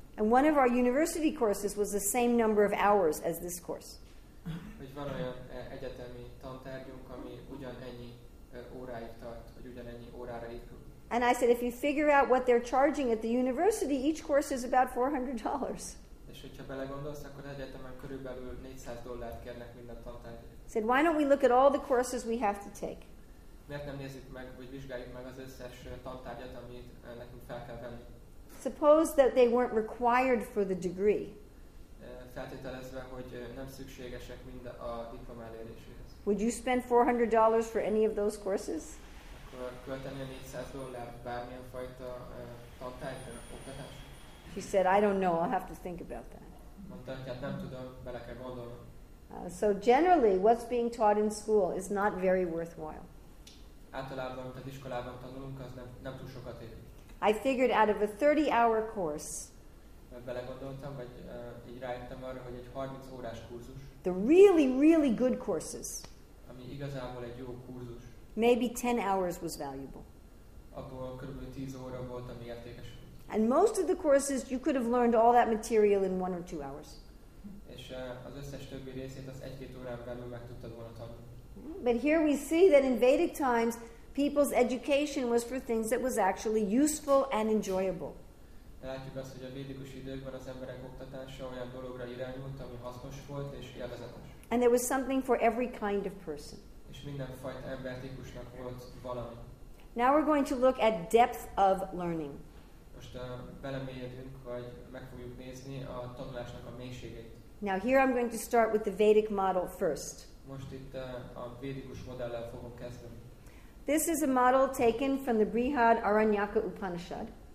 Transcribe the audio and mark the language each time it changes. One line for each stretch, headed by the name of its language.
English: And one of our university courses was the same number of hours as this course.
Hungarian: Hogy van olyan egyetemi tantárgyunk, ami ugyanennyi óráig tart, vagy ugyanennyi órára épül.
English: And I said, if you figure out what they're charging at the university, each course is about $400.
Hungarian: És hogyha belegondolsz, akkor egyetemen körülbelül $400 kérnek minden tantárgyért.
English: Said, why don't we look at all the courses we have to take?
Hungarian: Miért nem nézzük meg, vagy vizsgáljuk meg az összes tantárgyat, amit nekünk fel kell venni?
English: Suppose that they weren't required for the degree.
Hungarian: Feltételezve, hogy nem szükségesek mind a diploma eléréséhez.
English: Would you spend $400 for any of those courses?
Hungarian: Akkor költenél $400 bármilyen fajta tantárgyra, oktatás?
English: She said, I don't know, I'll have to think about that.
Hungarian: Mondta, hogy hát nem tudom, bele kell gondolnom.
English: So generally, what's being taught in school is not very worthwhile.
Hungarian: Általában, amit az iskolában tanulunk, az nem túl sokat ér.
English: I figured out of a 30-hour course,
Hungarian: belegondoltam, vagy így rájöttem arra, hogy egy 30 órás kurzus,
English: the really, really good courses,
Hungarian: ami igazából egy jó kurzus,
English: maybe 10 hours was valuable.
Hungarian: Abból körülbelül 10 óra volt, ami értékes.
English: And most of the courses, you could have learned all that material in 1 or 2 hours.
Hungarian: És az összes többi részét az 1-2 órán belül meg tudtad volna tanulni.
English: But here we see that in Vedic times, people's education was for things that was actually useful and enjoyable.
Hungarian: Látjuk azt, hogy a védikus időkben az emberek oktatása olyan dologra irányult, ami hasznos volt és élvezetes.
English: And there was something for every kind of person.
Hungarian: És mindenfajta embertípusnak volt valami.
English: Now we're going to look at depth of learning.
Hungarian: Most belemélyedünk, vagy meg fogjuk nézni a tanulásnak a mélységét.
English: Now here I'm going to start with the Vedic model first.
Hungarian: Most itt a védikus modellel fogom kezdeni.
English: This is a model taken from the Brihad Aranyaka Upanishad.